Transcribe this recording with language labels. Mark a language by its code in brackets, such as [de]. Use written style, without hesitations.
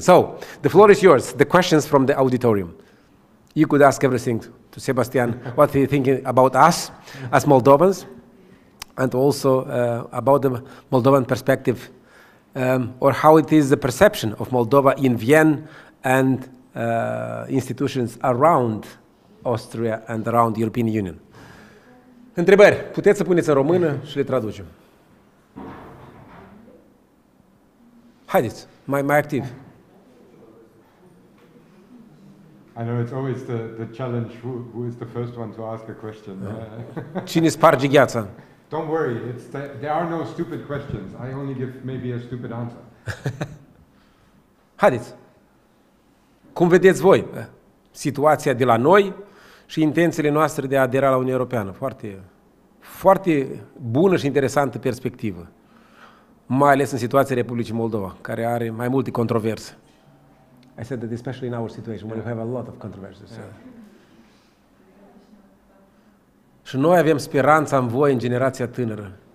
[en] So the floor is yours. The questions from the auditorium. You could ask everything to Sebastian, what he's thinking about us as Moldovans, and also about the Moldovan perspective, or how it is the perception of Moldova in Vienna and institutions around Austria and around the European Union. [ro] Întrebări. Puteți să puneți în română și le traducem. Haideți, mai activ. [en] I know it's always the challenge, who is the first one to ask a question. [ro] Cine sparge gheața? [en] Don't worry, there are no stupid questions. I only give maybe a stupid answer. [ro] Haideți. Cum vedeți voi situația de la noi și intențiile noastre de a adera la Uniunea Europeană? Foarte, foarte bună și interesantă perspectivă, mai ales în situația Republicii Moldova, care are mai multe controverse. [en] I said that especially in our situation, yeah. where we have a lot of controversies. Yeah. [ro] Și noi avem speranța în voi, în generația tânără.